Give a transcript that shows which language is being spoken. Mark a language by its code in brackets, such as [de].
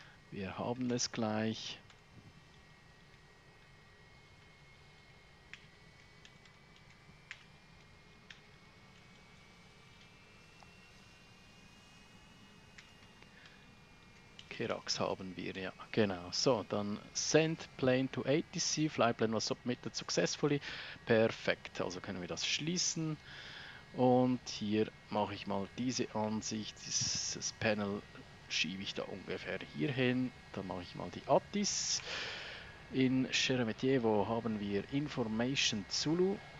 [de] Wir haben es gleich. Kerax haben wir, ja, genau. So, dann [en] send plane to ATC, fly plane was submitted successfully. [de] Perfekt, also können wir das schließen. Und hier mache ich mal diese Ansicht, dieses Panel schiebe ich da ungefähr hier hin. Dann mache ich mal die Attis. In Sheremetyevo haben wir Information Zulu.